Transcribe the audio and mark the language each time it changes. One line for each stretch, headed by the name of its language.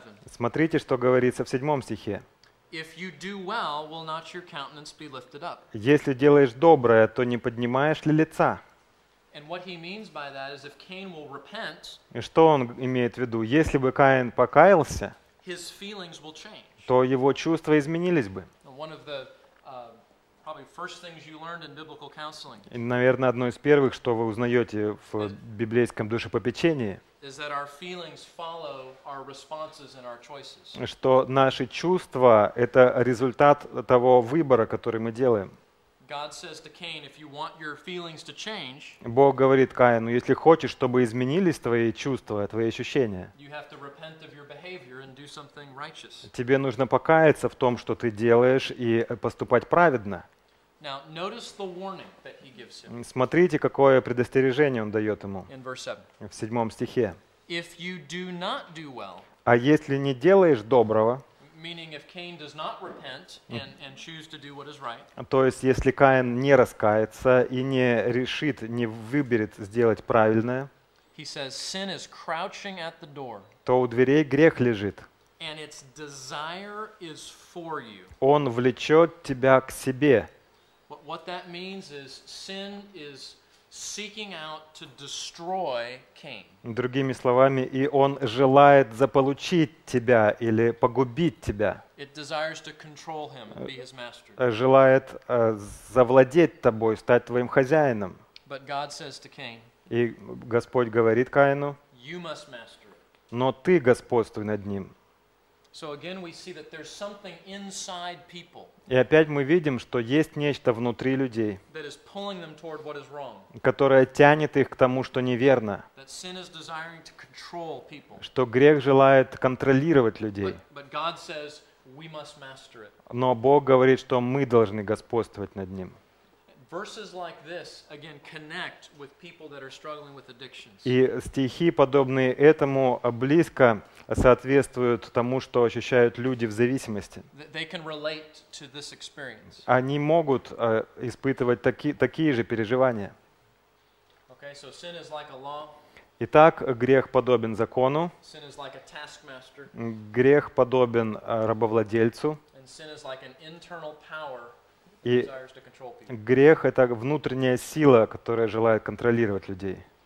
Russian: Смотрите, что говорится в седьмом стихе.
English: If you do well, will not your countenance be lifted up?
Russian: Если делаешь доброе, то не поднимаешь ли лица?
English: And what he means by that is if Cain will repent.
Russian: И что он имеет в виду? Если бы Каин покаялся,
English: his feelings will change.
Russian: То его чувства изменились бы.
English: One of the probably first things you learned in biblical counseling.
Russian: И, наверное, одно из первых, что вы узнаете в библейском душепопечении.
English: Is that our feelings follow our responses and our choices?
Russian: Что наши чувства — это результат того выбора, который мы делаем.
English: God says to Cain, if you want your feelings to change,
Russian: Бог говорит Каину, если хочешь, чтобы изменились твои чувства, твои ощущения,
English: you have to repent of your behavior and do something righteous.
Russian: Тебе нужно покаяться в том, что ты делаешь, и поступать праведно.
English: Now notice the warning that he gives him.
Russian: Смотрите, какое предостережение он дает ему.
English: In verse 7.
Russian: В седьмом стихе.
English: If you do not do well.
Russian: А если не делаешь доброго.
English: Meaning if Cain does not repent and choose to do what is right.
Russian: То есть если Каин не раскается и не решит, не выберет сделать правильное.
English: He says sin is crouching at the door.
Russian: То у дверей грех лежит.
English: And its desire is for you.
Russian: Он влечет тебя к себе.
English: What that means is sin is seeking out to destroy Cain.
Russian: Другими словами, и он желает заполучить тебя или погубить тебя.
English: It desires to control him and be his master.
Russian: Желает завладеть тобой, стать твоим хозяином.
English: But God says to Cain.
Russian: И Господь говорит Каину.
English: You must master it.
Russian: Но ты господствуй над ним.
English: So again we see that there's something inside people.
Russian: И опять мы видим, что есть нечто внутри людей,
English: that is pulling them toward what is wrong.
Russian: Которое тянет их к тому, что неверно.
English: That sin is desiring to control people.
Russian: Что грех желает контролировать людей.
English: But God says we must master it.
Russian: Но Бог говорит, что мы должны господствовать над ним.
English: Verses like this again connect with people that are struggling with addictions.
Russian: И стихи подобные этому близко соответствуют тому, что ощущают люди в зависимости.
English: They can relate to this experience.
Russian: Они могут испытывать такие же переживания.
English: Okay, so sin is like a law.
Russian: Итак, грех подобен закону.
English: Sin is like a taskmaster.
Russian: Грех подобен рабовладельцу.
English: And sin is like an internal power.
Russian: И грех — это внутренняя сила, которая желает контролировать людей.